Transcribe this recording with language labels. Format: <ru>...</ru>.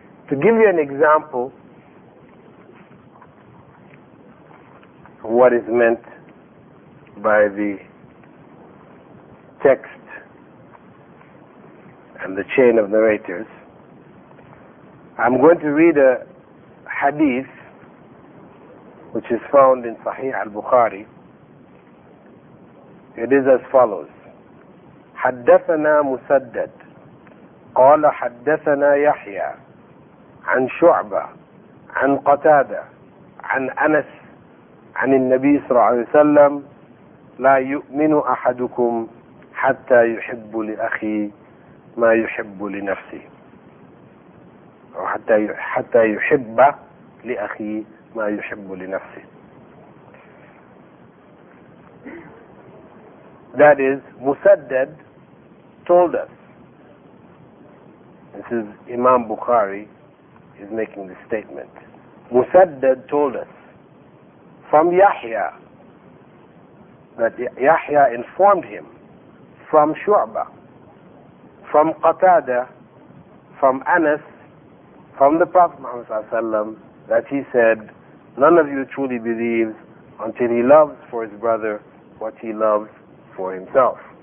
<en>To give you an example of what is meant by the text and the chain of narrators, I'm going to read a hadith which is found in Sahih al-Bukhari. It is as follows.</en> <ar>حدثنا مسدد قال حدثنا يحيى عن شعبة عن قتادة عن أنس عن النبي صلى الله عليه وسلم لا يؤمن أحدكم حتى يحب لأخي ما يحب لنفسه حتى يحب لأخي ما يحب لنفسه.</ar> <en>That is, Musaddad told us. This is Imam Bukhari is making this statement. Musaddad told us from Yahya that Yahya informed him, from Shu'ba, from Qatada, from Anas, from the Prophet Muhammad sallallahu alaihi wasallam, that he said, none of you truly believes until he loves for his brother what he loves for himself.</en>